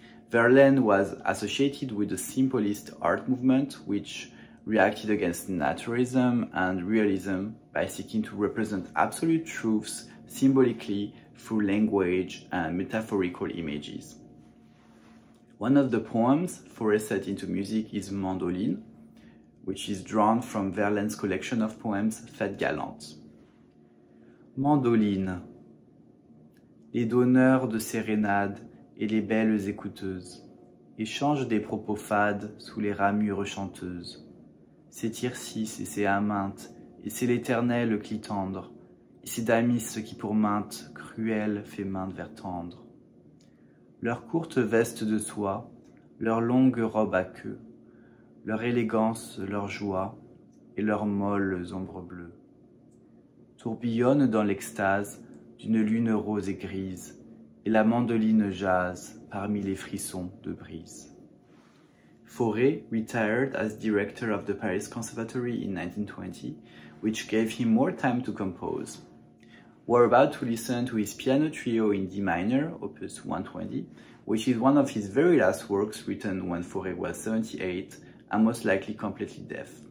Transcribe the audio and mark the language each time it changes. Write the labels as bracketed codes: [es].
[en] Verlaine was associated with the simplist art movement, which reacted against naturalism and realism by seeking to represent absolute truths symbolically through language and metaphorical images. One of the poems Fauré set into music is Mandoline, which is drawn from Verlaine's collection of poems Fête Galante. [fr] Mandoline, les donneurs de sérénades et les belles écouteuses échangent des propos fades sous les ramures chanteuses. C'est Tircis et c'est Aminte, et c'est l'éternel Clitandre, et c'est Damis qui pour mainte cruelle fait main vers tendre. Leurs courtes vestes de soie, leurs longues robes à queue, leur élégance, leur joie, et leurs molles ombres bleues, tourbillonnent dans l'extase d'une lune rose et grise, et la mandoline jase parmi les frissons de brise. [en] Fauré retired as director of the Paris Conservatory in 1920, which gave him more time to compose. We're about to listen to his piano trio in D minor, opus 120, which is one of his very last works written when Fauré was 78 and most likely completely deaf.